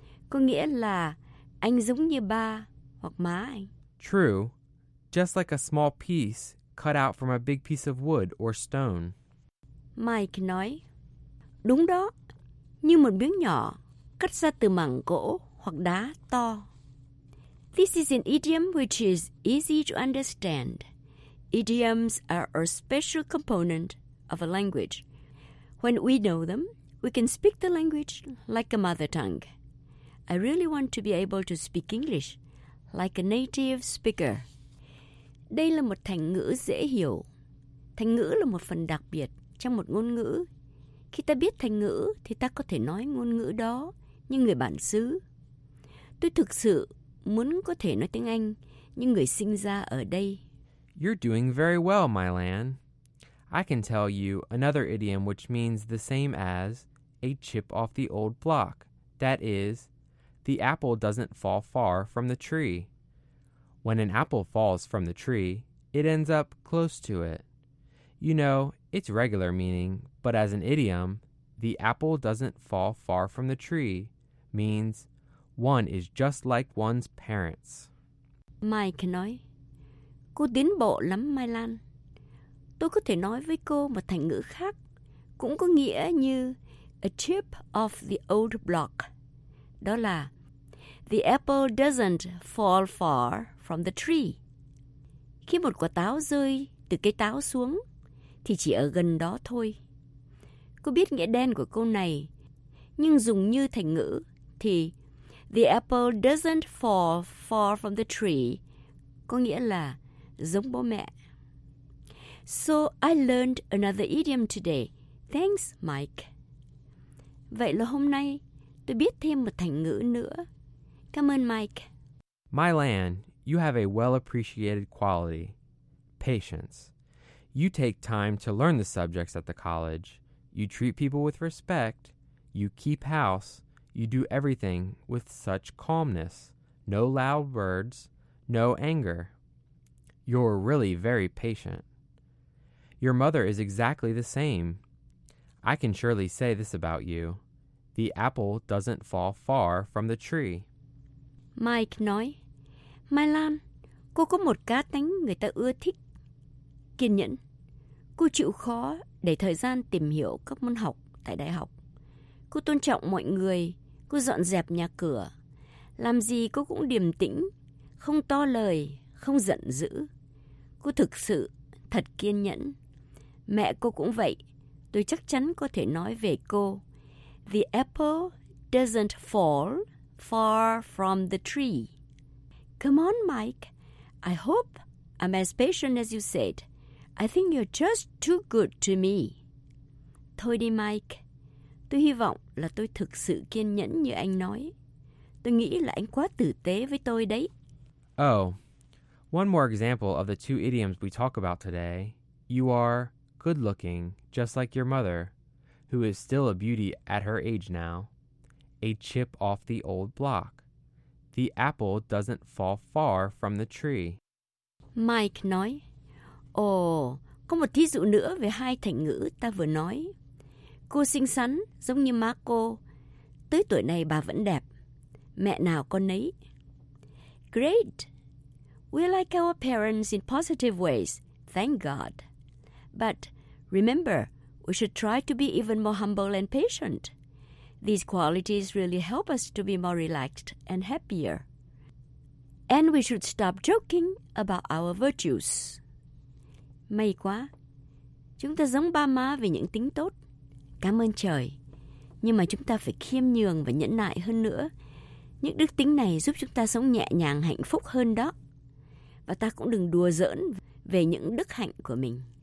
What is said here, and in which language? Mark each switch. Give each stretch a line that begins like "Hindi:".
Vietnamese: Có nghĩa là anh giống như ba hoặc má anh.
English: True, just like a small piece cut out from a big piece of wood or stone.
Vietnamese: Mike nói, đúng đó, như một miếng nhỏ cắt ra từ mảng gỗ hoặc đá to.
English: This is an idiom which is easy to understand. Idioms are a special component of a language. When we know them, we can speak the language like a mother tongue. I really want to be able to speak English like a native speaker.
Vietnamese: Đây là một thành ngữ dễ hiểu. Thành ngữ là một phần đặc biệt trong một ngôn ngữ. Khi ta biết thành ngữ thì ta có thể nói ngôn ngữ đó như người bản xứ. Tôi thực sự muốn có thể nói tiếng Anh như người sinh ra ở đây.
English: You're doing very well, Mylan. I can tell you another idiom which means the same as a chip off the old block. That is, the apple doesn't fall far from the tree. When an apple falls from the tree, it ends up close to it. You know, it's regular meaning, but as an idiom, the apple doesn't fall far from the tree means one is just like one's parents.
Vietnamese: Mike nói, cô tiến bộ lắm, Mai Lan. Tôi có thể nói với cô một thành ngữ khác, cũng có nghĩa như
English: a chip off the old block.
Vietnamese: Đó là,
English: the apple doesn't fall far from the tree.
Vietnamese: Khi một quả táo rơi từ cây táo xuống, thì chỉ ở gần đó thôi. Cô biết nghĩa đen của câu này, nhưng dùng như thành ngữ thì
English: the apple doesn't fall far from the tree
Vietnamese: có nghĩa là giống bố mẹ.
English: So I learned another idiom today. Thanks, Mike.
Vietnamese: Vậy là hôm nay tôi biết thêm một thành ngữ nữa. Cảm ơn Mike.
English: Mylan, you have a well-appreciated quality, patience. You take time to learn the subjects at the college. You treat people with respect. You keep house. You do everything with such calmness. No loud words. No anger. You're really very patient. Your mother is exactly the same. I can surely say this about you. The apple doesn't fall far from the tree.
Vietnamese: Mike nói, Mai Lan, cô có một cá tính người ta ưa thích. Kiên nhẫn. Cô chịu khó để thời gian tìm hiểu các môn học tại đại học. Cô tôn trọng mọi người. Cô dọn dẹp nhà cửa. Làm gì cô cũng điềm tĩnh, không to lời, không giận dữ. Cô thực sự thật kiên nhẫn. Mẹ cô cũng vậy. Tôi chắc chắn có thể nói về cô.
English: The apple doesn't fall far from the tree. Come on, Mike. I hope I'm as patient as you said. I think you're just too good to me.
Vietnamese: Thôi đi, Mike. Tôi hy vọng là tôi thực sự kiên nhẫn như anh nói. Tôi nghĩ là anh quá tử tế với tôi đấy.
English: Oh, one more example of the two idioms we talk about today. You are good-looking, just like your mother, who is still a beauty at her age now. A chip off the old block. The apple doesn't fall far from the tree.
Vietnamese: Mike nói, Ồ, có một thí dụ nữa về hai thành ngữ ta vừa nói. Cô xinh xắn, giống như má cô. Tới tuổi này bà vẫn đẹp. Mẹ nào con nấy.
English: Great. We like our parents in positive ways, thank God. But remember, we should try to be even more humble and patient. These qualities really help us to be more relaxed and happier. And we should stop joking about our virtues.
Vietnamese: May quá. Chúng ta giống ba má về những tính tốt. Cảm ơn trời. Nhưng mà chúng ta phải khiêm nhường và nhẫn nại hơn nữa. Những đức tính này giúp chúng ta sống nhẹ nhàng hạnh phúc hơn đó. Và ta cũng đừng đùa giỡn về những đức hạnh của mình.